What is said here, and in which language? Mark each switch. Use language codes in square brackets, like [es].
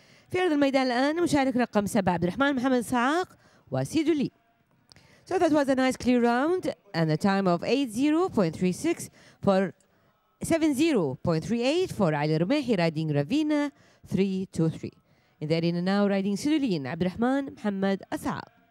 [ar] في أرض الميدان الآن مشارك رقم 7 عبد الرحمن محمد صعاق وسيدو لي. [en] So that was a nice clear round and the time of 80.36 for 70.38 for علي رمحي riding رافينا 3-2-3. In the arena now riding سيدو لي عبد الرحمن محمد صعاق.